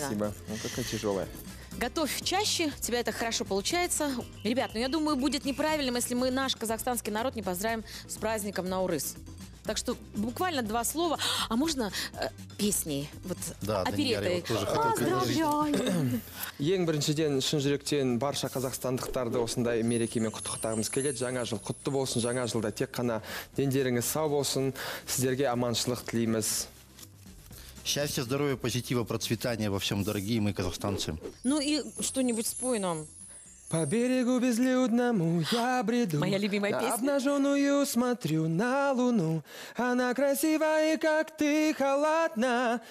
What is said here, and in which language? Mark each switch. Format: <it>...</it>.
<ru>Спасибо, спасибо. Ну, какая тяжелая. Готовь чаще, у тебя это хорошо получается. Ребят, ну я думаю, будет неправильным, если мы наш казахстанский народ не поздравим с праздником Наурыз. Так что буквально два слова, а можно песней? Вот, да, оперетой. Я вот тоже хотел предложить. Поздравляю!</ru> <kk>Ең біріншіден, шын жүректен, барша қазақстандықтарды осындай мерекемен құттықтағымыз келеді. Жаңа жыл құтты болсын, жаңа жылда тек қана дендеріңіз сау болсын. Сіздерге аманшылық тілейміз.</kk> <ru>Счастья, здоровья, позитива, процветания во всем, дорогие мы, казахстанцы. Ну и что-нибудь спой нам. По берегу безлюдному я бреду. Моя любимая песня. Обнаженную смотрю на луну. Она красивая, как ты, халатна.</ru>